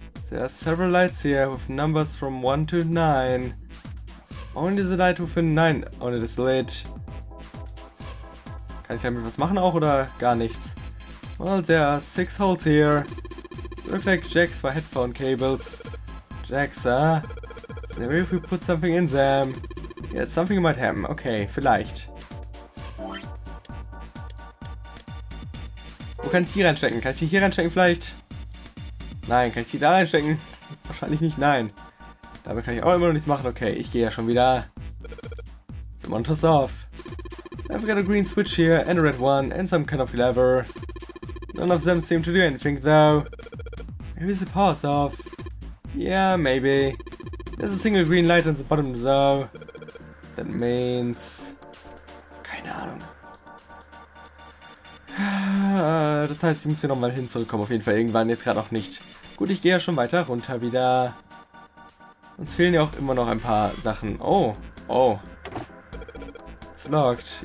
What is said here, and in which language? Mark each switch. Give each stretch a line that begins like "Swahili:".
English: There are several lights here with numbers from 1 to 9. Only the light with a 9 on it is lit.
German: Kann ich damit was machen auch oder gar nichts?
English: Well, there are 6 holes here. They look like jacks for headphone cables. Jacks, huh? So maybe if we put something in them. Yeah, something might happen.
German: Okay, vielleicht. Wo kann ich hier reinstecken? Kann ich hier reinstecken vielleicht? Nein, kann ich die da reinstecken? Wahrscheinlich nicht, nein. Damit kann ich auch immer noch nichts machen. Okay, ich gehe ja schon wieder. So,
English: Monitor's off. I've got a green switch here, and a red one, and some kind of lever. None of them seem to do anything, though. Maybe it's a pause off. Yeah, maybe. There's a single green light on the bottom, though. That means...
German: keine Ahnung. Das heißt, ich muss hier nochmal hin zurückkommen, auf jeden Fall irgendwann, jetzt gerade noch nicht. Gut, ich gehe ja schon weiter runter wieder. Uns fehlen ja auch immer noch ein paar Sachen.
English: Oh, oh. It's locked.